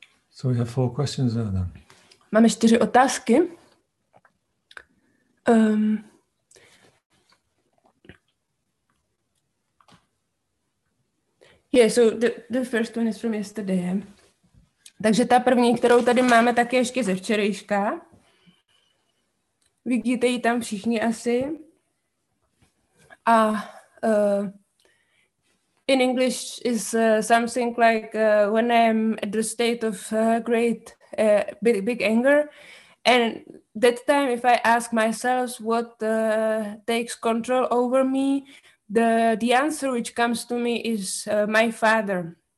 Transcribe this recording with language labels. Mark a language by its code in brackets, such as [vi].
[en] So we have four questions there then. [cs] Máme 4 otázky. [en] Yeah, so the first one is from yesterday. [cs] Takže ta první, kterou tady máme, tak je ještě ze včerejška. Vidíte ji tam všichni asi. [en] A in English is something like when I'm at the state of great big anger, and that time if I ask myself what takes control over me, the answer which comes to me is my father.